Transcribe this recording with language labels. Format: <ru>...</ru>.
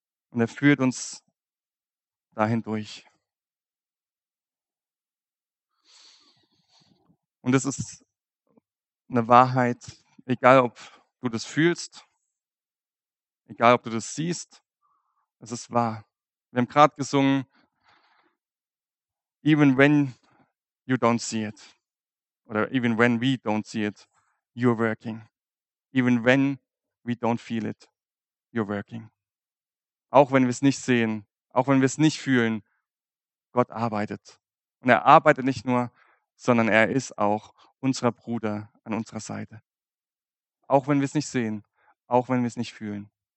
<de>Und er führt uns dahin durch. Und das ist eine Wahrheit, egal ob du das fühlst, egal ob du das siehst, es ist wahr. Wir haben gerade gesungen,</de> <en>even when you don't see it, oder even when we don't see it, you're working. Even when we don't feel it, you're working.</en> <de>Auch wenn wir es nicht sehen, auch wenn wir es nicht fühlen, Gott arbeitet. Und er arbeitet nicht nur, sondern er ist auch unser Bruder an unserer Seite. Auch wenn wir es nicht sehen, auch wenn wir es nicht fühlen.</de>